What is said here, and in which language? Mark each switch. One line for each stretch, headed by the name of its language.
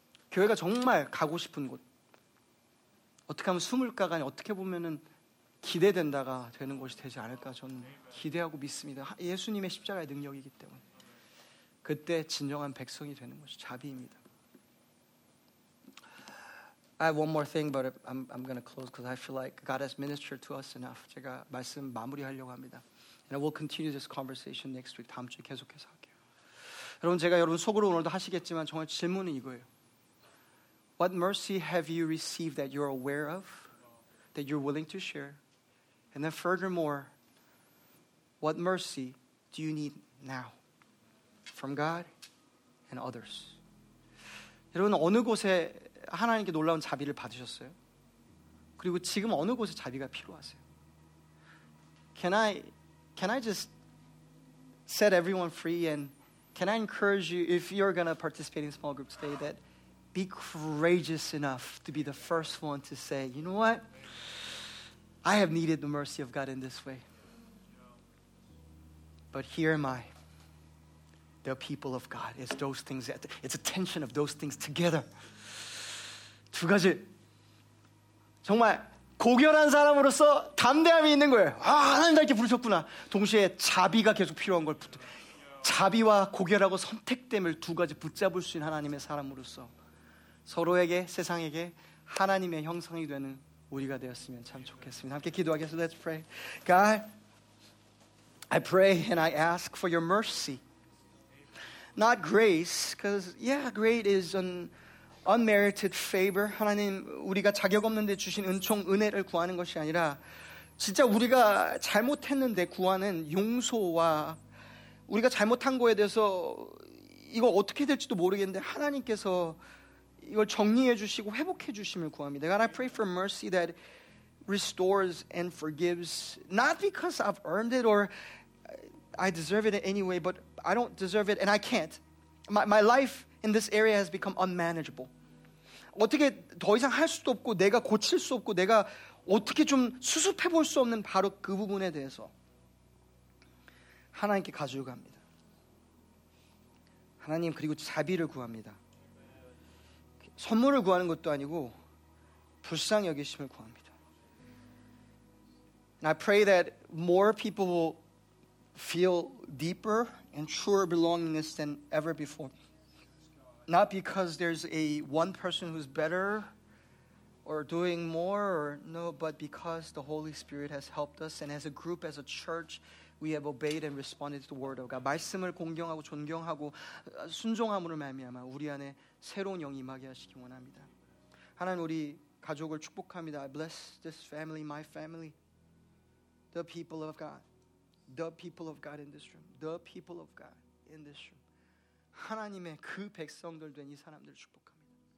Korean: 교회가 정말 가고 싶은 곳 어떻게 하면 숨을까가 어떻게 보면은 기대된다가 되는 것이 되지 않을까 저는 기대하고 믿습니다. 예수님의 십자가의 능력이기 때문에 그때 진정한 백성이 되는 것이 자비입니다.
English: I have one more thing, but I'm going to close because I feel like God has ministered to us enough.
Korean: 제가 말씀 마무리하려고 합니다.
English: And I will continue this conversation next week.
Korean: 다음 주에 계속해서 할게요. 여러분, 제가 여러분 속으로 오늘도 하시겠지만 정말 질문은 이거예요.
English: What mercy have you received that you're aware of, that you're willing to share? And then furthermore, what mercy do you need now? From God and others.
Korean: 여러분 어느 곳에 하나님께 놀라운 자비를 받으셨어요? 그리고 지금 어느 곳에 자비가 필요하세요?
English: Can I just set everyone free and can I encourage you if you're going to participate in small group today that be courageous enough to be the first one to say, you know what? I have needed the mercy of God in this way. But here am I. the people of God. It's those things. It's a tension of those things together.
Korean: 두 가지 정말 고결한 사람으로서 담대함이 있는 거예요. 아, 하나님 나 이렇게 부르셨구나. 동시에 자비가 계속 필요한 걸 자비와 고결하고 선택됨을 두 가지 붙잡을 수 있는 하나님의 사람으로서 서로에게 세상에게 하나님의 형상이 되는 우리가 되었으면 참 좋겠습니다. 함께 기도하겠습니다.
English: Let's pray. God, I pray and I ask for your mercy. Not grace, because yeah, grace is an unmerited favor.
Korean: 하나님, 우리가 자격 없는데 주신 은총, 은혜를 구하는 것이 아니라 진짜 우리가 잘못했는데 구하는 용서와 우리가 잘못한 거에 대해서 이거 어떻게 될지도 모르겠는데 하나님께서 이걸 정리해 주시고 회복해 주심을 구합니다.
English: God, I pray for mercy that restores and forgives, not because I've earned it or I deserve it in any way, but I don't deserve it and I can't. My life in this area has become unmanageable.
Korean: 어떻게 더 이상 할 수도 없고 내가 고칠 수 없고 내가 어떻게 좀 수습해 볼 수 없는 바로 그 부분에 대해서 하나님께 가지고 갑니다. 하나님 그리고 자비를 구합니다. 선물을 구하는 것도 아니고 불쌍히 여기심을 구합니다.
English: And I pray that more people will feel deeper and truer belongingness than ever before. Not because there's a one person who's better or doing more, or no, but because the Holy Spirit has helped us and as a group, as a church, we have obeyed and responded to the word of God.
Korean: 말씀을 공경하고 존경하고 순종함으로 말미암아 우리 안에 새로운 영이 임하게 하시기 원합니다. 하나님 우리 가족을 축복합니다.
English: I bless this family, my family, the people of God, the people of God in this room, the people of God in this room.
Korean: 하나님의 그 백성들 된 이 사람들을 축복합니다.